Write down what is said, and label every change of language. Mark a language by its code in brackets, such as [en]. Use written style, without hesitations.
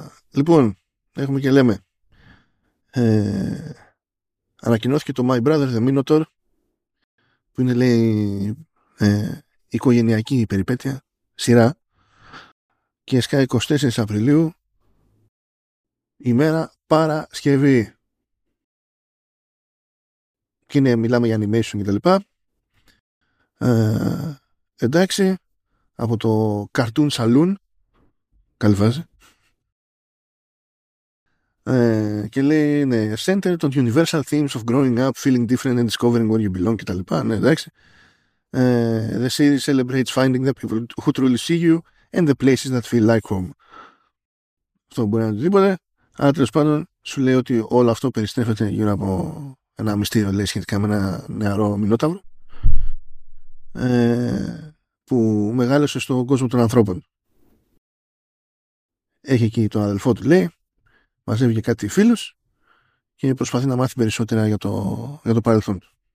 [el] Λοιπόν, έχουμε και λέμε, ανακοινώθηκε το My Brother the Minotaur, που είναι, λέει, οικογενειακή περιπέτεια, σειρά, και σκάει 24 Απριλίου, ημέρα Παρασκευή. Και είναι, μιλάμε για animation και τα λοιπά. Εντάξει, από το Cartoon Saloon, καλή φάση. Και λέει, ναι, [en] centered on universal themes of growing up, feeling different and discovering where you belong [el] και τα λοιπά. Ναι, εντάξει. [en] The series celebrates finding the people who truly see you and the places that feel like home. [el] Αυτό μπορεί να είναι οτιδήποτε, αλλά τέλος πάντων σου λέει ότι όλο αυτό περιστρέφεται γύρω από ένα μυστήριο, λέει, σχετικά με ένα νεαρό μινόταυρο που μεγάλωσε στον κόσμο των ανθρώπων. Έχει εκεί τον αδελφό του, λέει, μαζεύει και κάτι φίλους και προσπαθεί να μάθει περισσότερα για το παρελθόν του.